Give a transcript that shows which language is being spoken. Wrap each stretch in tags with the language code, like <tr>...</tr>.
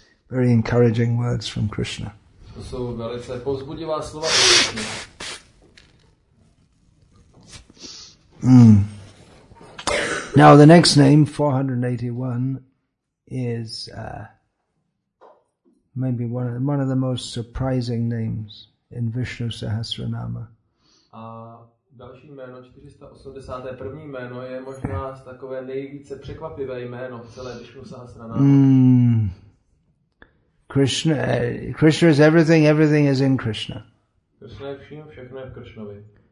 <en>Very encouraging words from Krishna. Now the next name, 481, is maybe one of the most surprising names in Vishnu Sahasranama.</en> <cs>Další jméno, 481. jméno, je možná takové nejvíce překvapivé jméno celé Vishnu Sahasrana.</cs> <en>Krishna is everything, everything is in Krishna.</en> <cs>Krishna je vším, všechno je v Krishnovi.</cs>